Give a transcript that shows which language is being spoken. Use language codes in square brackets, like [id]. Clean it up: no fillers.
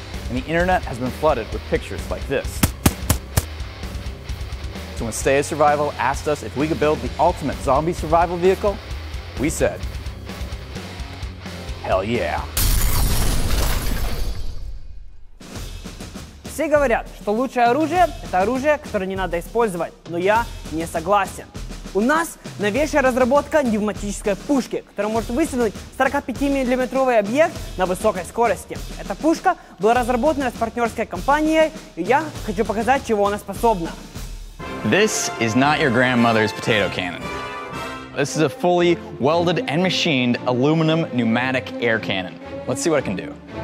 [en] And the internet has been flooded with pictures like this. So when Stay of Survival asked us if we could build the ultimate zombie survival vehicle, we said, hell yeah. [ru] Все говорят, что лучшее оружие – это оружие, которое не надо использовать. Но я не согласен. У нас новейшая разработка пневматической пушки, которая может выстрелить 45-миллиметровый объект на высокой скорости. Эта пушка была разработана с партнерской компанией, и я хочу показать, чего она способна. [en] This is not your grandmother's potato cannon. This is a fully welded and machined aluminum pneumatic air cannon. Let's see what it can do.